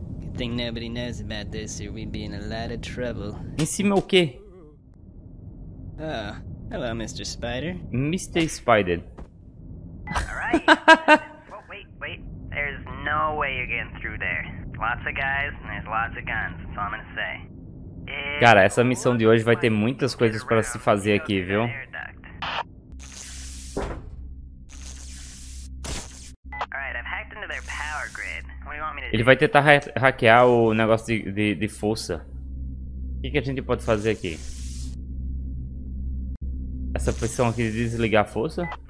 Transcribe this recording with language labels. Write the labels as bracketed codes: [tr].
[en] Good thing nobody knows about this or we'd be in a lot of trouble. [pt] Em cima o quê? [en] Oh, hello, Mr. Spider. Mr. Spider. Alright. Oh, wait, wait. There's no way you're getting through there. Lots of guys and there's lots of guns, that's all I'm gonna say. [pt] Cara, essa missão de hoje vai ter muitas coisas pra se fazer aqui, viu? [en] Alright, I've hacked into their power grid. What do you want me to do? [pt] Ele vai tentar hackear o negócio de força. O que a gente pode fazer aqui? Essa pressão aqui de desligar a força?